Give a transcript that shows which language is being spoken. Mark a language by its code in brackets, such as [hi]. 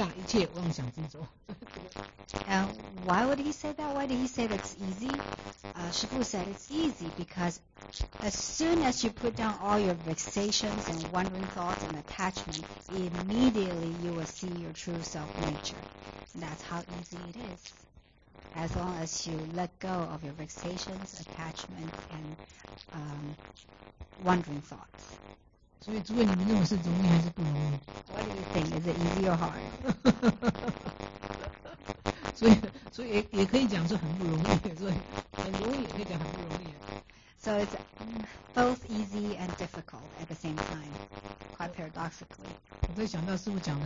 [zh] 当下就是你的心性，你的自信的一种显现，摆下一切妄想执着。And [en] why would he say that? Why did he say that's easy? Shi Fu said it's easy because as soon as you put down all your vexations and wandering thoughts and attachment, immediately you will see your true self nature. That's how easy it is. As long as you let go of your vexations, attachment, and wandering thoughts. [zh] 所以诸位，你们认为是容易还是不容易？ [en] What do you think? Is it easy or hard? [zh] 所以也可以讲说很不容易，所以很容易也可以讲很不容易。 [en] So it's both easy and difficult at the same time, quite paradoxically.